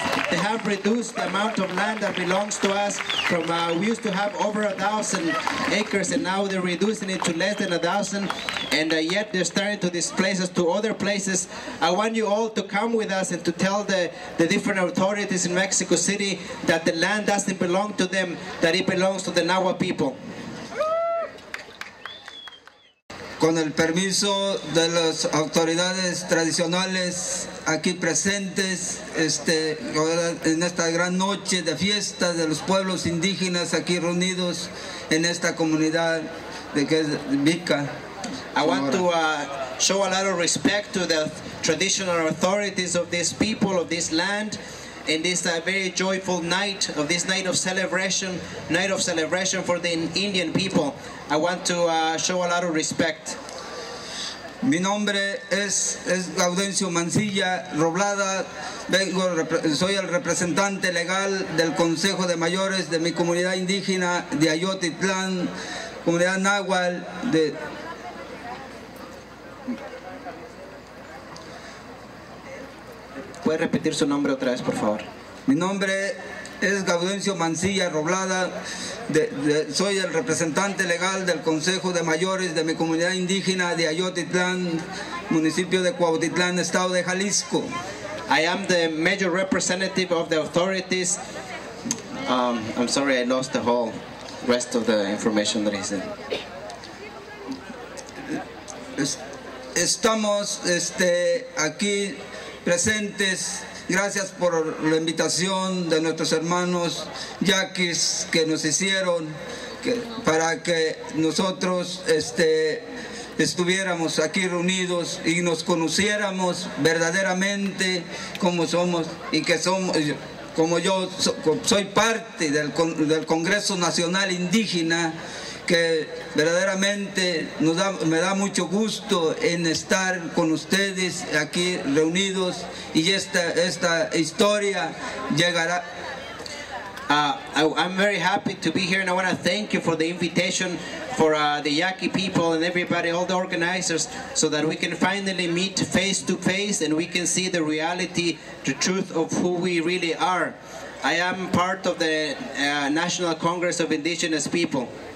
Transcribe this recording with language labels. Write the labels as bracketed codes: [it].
[en] They have reduced the amount of land that belongs to us from we used to have over 1,000 acres and now they're reducing it to less than 1,000 and yet they're starting to displace us to other places. I want you all to come with us and to tell the different authorities in Mexico City that the land doesn't belong to them, that it belongs to the Nahua people. [es] Con el permiso de las autoridades tradicionales aquí presentes, en esta gran noche de fiesta de los pueblos indígenas aquí reunidos en esta comunidad de que es Vika. [en] I want to show a lot of respect to the traditional authorities of this people, of this land, in this very joyful night, of this night of celebration for the Indian people. I want to show a lot of respect. [es] Mi nombre es Gaudencio Mancilla Roblada. Vengo, soy el representante legal del Consejo de Mayores de mi comunidad indígena de Ayotitlán, comunidad Nahual de... ¿Puede repetir su nombre otra vez, por favor? Mi nombre es Gaudencio Mancilla Roblada. Soy el representante legal del Consejo de Mayores de mi comunidad indígena de Ayotitlán, municipio de Cuautitlán, estado de Jalisco. [en] I am the major representative of the authorities. I'm sorry, I lost the whole rest of the information that is in. [es] Estamos aquí presentes. Gracias por la invitación de nuestros hermanos yaquis que nos hicieron para que nosotros estuviéramos aquí reunidos y nos conociéramos verdaderamente como somos y que somos, como yo soy parte del Congreso Nacional Indígena, que verdaderamente me da mucho gusto en estar con ustedes aquí reunidos y esta historia llegará. [en] I'm very happy to be here and I want to thank you for the invitation for the Yaqui people and everybody, all the organizers, so that we can finally meet face to face and we can see the reality, the truth of who we really are. I am part of the National Congress of Indigenous People.